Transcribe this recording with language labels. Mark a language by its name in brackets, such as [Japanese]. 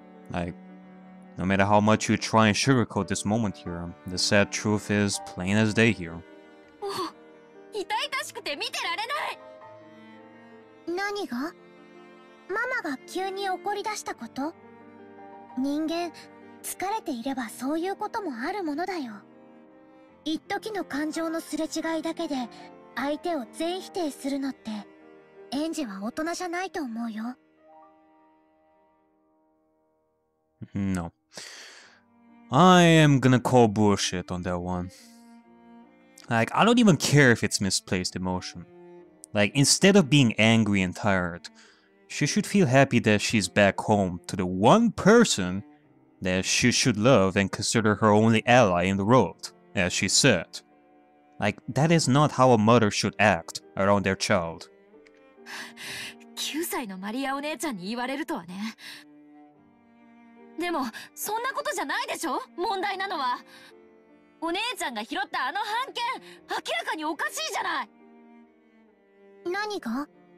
[English] Like, no matter how much you try and sugarcoat this moment here, the sad truth is plain as day here. [Japanese] もう痛々しくて見てられない。何が？ママが急に怒り出したこと。人間疲れていればそういうこともあるものだよ。一時の感情のすれ違いだけで相手を全否定するのってエンジェは大人じゃないと思うよ。 [English] No. I am gonna call bullshit on that one. Like, I don't even care if it's misplaced emotion. Like, instead of being angry and tired, she should feel happy that she's back home to the one person that she should love and consider her only ally in the world, as she said. Like, that is not how a mother should act around their child. [Japanese] 9歳のマリアお姉ちゃんに言われるとはね。でも、そんなことじゃないでしょ？問題なのは。お姉ちゃんが拾ったあの半券、明らかにおかしいじゃない。何が？